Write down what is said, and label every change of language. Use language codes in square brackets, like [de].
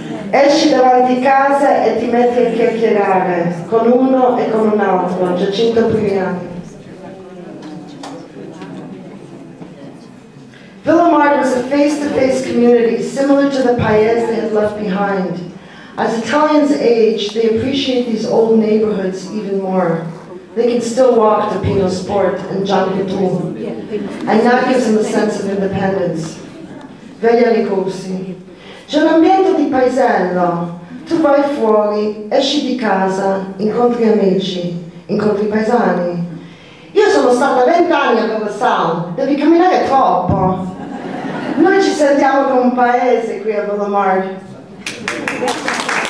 [it] Esci davanti a casa e ti metti a chiacchierare con uno e con un altro, Giacinto Primiani. [en] Villamard was a face-to-face community similar to the paese they had left behind. As Italians age, they appreciate these old neighborhoods even more. They can still walk to Pino Sport and John Catul. And that gives them a sense of independence. [it] Veglia Ricorsi. C'è un ambiente di paesello. Tu vai fuori, esci di casa, incontri amici, incontri paesani. Io sono stata 20 anni a Villasal, devi camminare troppo. Noi ci sentiamo come un paese qui a Villamard.